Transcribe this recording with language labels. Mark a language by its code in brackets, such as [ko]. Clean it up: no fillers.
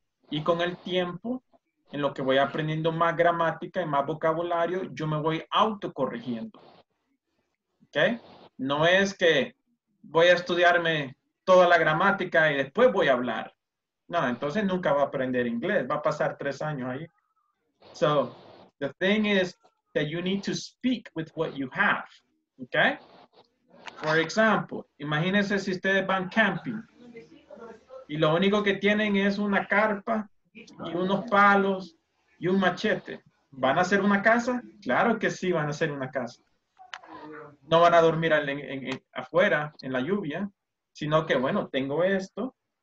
[es] Y con el tiempo, en lo que voy aprendiendo más gramática y más vocabulario, yo me voy autocorrigiendo. ¿Ok? No es que voy a estudiarme toda la gramática y después voy a hablar. No, entonces nunca va a aprender inglés. Va a pasar 3 años ahí. [en] So, the thing is that you need to speak with what you have. [es] ¿Ok? [en] For example, [es] imagínense si ustedes van camping y lo único que tienen es una carpa y unos palos y un machete. ¿Van a hacer una casa? Claro que sí van a hacer una casa. No van a dormir afuera, en la lluvia, sino que, bueno, tengo esto.